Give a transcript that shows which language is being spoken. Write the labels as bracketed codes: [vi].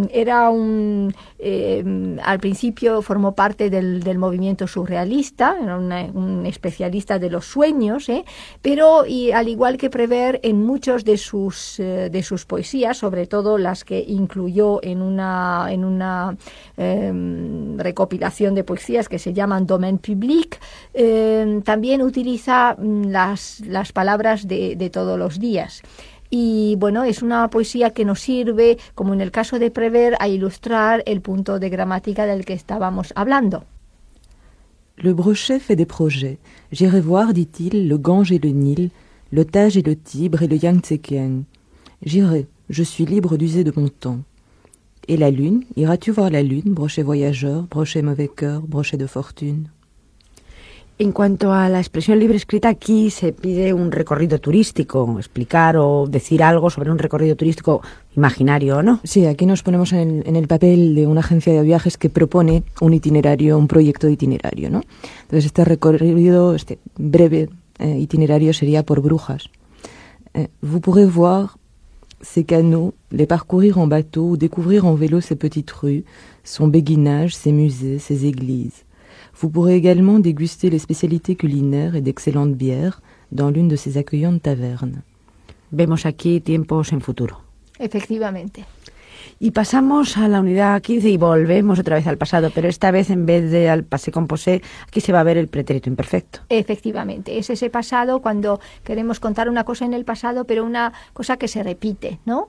[es] Al principio formó parte del movimiento surrealista, era un especialista de los sueños, pero y al igual que Prévert, en muchos de sus poesías, sobre todo las que incluyó en una recopilación de poesías que se llaman Domaine Public, también utiliza las palabras de todos los días. Y bueno, es una poesía que nos sirve, como en el caso de Prévert, a ilustrar el punto de gramática del que estábamos hablando. [fr] Le brochet fait des projets. J'irai voir, dit-il, le Gange et le Nil, le Tage et le Tibre et le Yangtze-Kiang. J'irai, je suis libre d'user de mon temps. Et la lune, iras-tu voir la lune, brochet voyageur, brochet mauvais cœur, brochet de fortune? [es] En cuanto a la expresión libre escrita, aquí se pide un recorrido turístico, explicar o decir algo sobre un recorrido turístico imaginario, ¿no? Sí, aquí nos ponemos en el papel de una agencia de viajes que propone un itinerario, un proyecto de itinerario, ¿no? Entonces este recorrido, este breve itinerario sería por Brujas. [fr] Vous pourrez voir ces canaux, les parcourir en bateau, découvrir en vélo ces petites rues, son béguinage, ses musées, ses églises. Vous pourrez également déguster les spécialités culinaires et d'excellentes bières dans l'une de ces accueillantes tavernes. [es] Vemos aquí tiempos en futuro. Efectivamente. Y pasamos a la unidad 15 y volvemos otra vez al pasado, pero esta vez en vez de al passé composé, aquí se va a ver el pretérito imperfecto. Efectivamente, es ese pasado cuando queremos contar una cosa en el pasado, pero una cosa que se repite, ¿no?